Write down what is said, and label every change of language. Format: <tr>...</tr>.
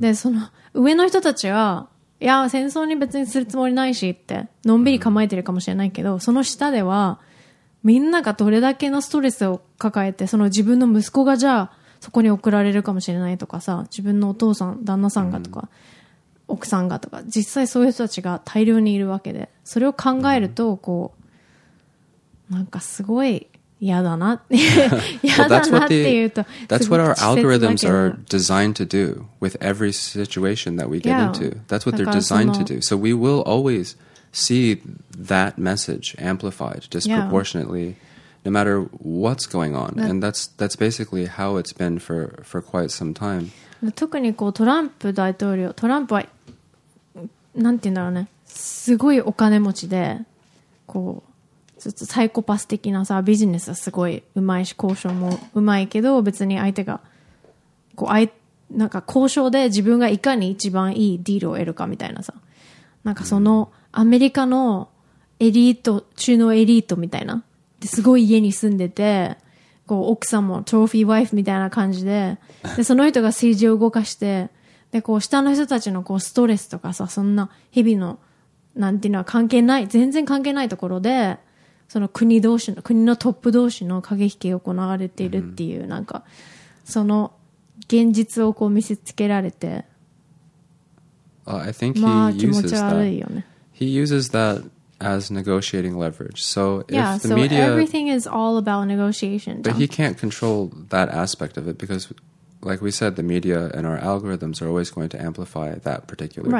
<ja>で、その上の人たちは、いや、戦争に別にするつもりないしって、のんびり構えてるかもしれないけど、その下では、みんながどれだけのストレスを抱えて、その自分の息子がじゃあそこに送られるかもしれないとかさ、自分のお父さん、旦那さんがとか、mm-hmm. 奥さんがとか実際そういう人たちが大量にいるわけでそれを考えるとこうなんかすごい嫌だな嫌だなっていうと</ja> <en>well, that's what our algorithms are designed to do with every situation that we get yeah, into that's what they're designed to do so we will always see that message amplified disproportionately、yeah. no matter what's going on that, and that's basically how it's been for quite some time</en> <ja>特にこうトランプ大統領、トランプはなんて言うんだろうね、すごいお金持ちで、こうちょっとサイコパス的なさビジネスはすごい上手いし交渉も上手いけど、別に相手がこうなんか交渉で自分がいかに一番いいディールを得るかみたいなさ、なんかそのアメリカのエリート中のエリートみたいな、すごい家に住んでて。こう奥さんもトロフィーワイフみたいな感じ でその人が政治を動かしてでこう下の人たちのこうストレスとかさそんな日々のなんていうのは関係ない全然関係ないところでその国同士の国のトップ同士の駆け引きが行われているっていう、mm-hmm. なんかその現実をこう見せつけられて、</ja> <en>I think he</en> <ja>まあ気持ち悪いよね</ja> <en>He uses thatas negotiating leverage. So yeah, if the media... Yeah, so everything is all about negotiation. But he can't control that aspect of it because, like we said, the media and our algorithms are always going to amplify that particular</en>